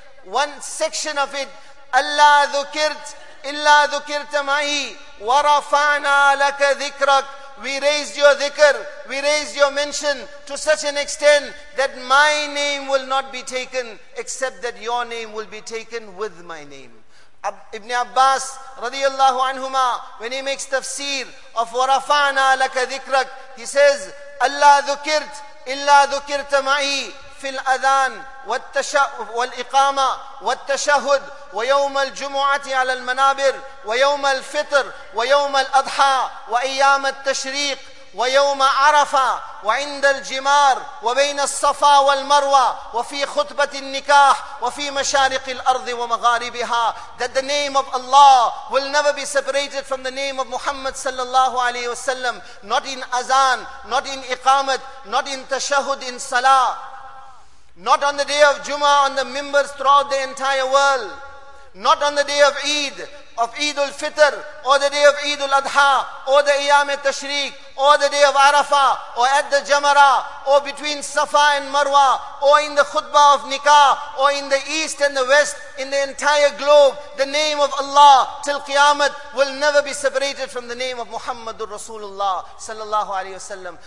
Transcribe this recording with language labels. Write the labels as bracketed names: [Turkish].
[English] One section of it. [Arabic] أَلَّا ذُكِرْت Illa dhukirta ma'i wa rafa'na laka dhikrak. [English] We raised your dhikr, we raised your mention to such an extent that my name will not be taken except that your name will be taken with my name. [Arabic] Ibn Abbas radiyallahu anhuma, [English] when he makes tafsir of [Arabic] wa rafa'na laka dhikrak, [English] he says, [Arabic] illa dhukirta ma'i fil adhan والإقامة والتشهد ويوم الجمعة على المنابر ويوم الفطر ويوم الأضحى وأيام التشريق ويوم عرفة وعند الجمار وبين الصفا والمروة وفي خطبة النكاح وفي مشارق الأرض ومغاربها. [English] That the name of Allah will never be separated from the name of Muhammad sallallahu alayhi wasallam, not in azan, not in iqamat, not in tashahud in salah, not on the day of Jummah on the mimbers throughout the entire world, not on the day of Eid, of Eid al-Fitr, or the day of Eid al-Adha, or the Iyam al-Tashriq, or the day of Arafah, or at the Jamara, or between Safa and Marwa, or in the khutbah of Nikah, or in the East and the West, in the entire globe, the name of Allah till Qiyamah will never be separated from the name of Muhammadur Rasulullah sallallahu alayhi wasallam.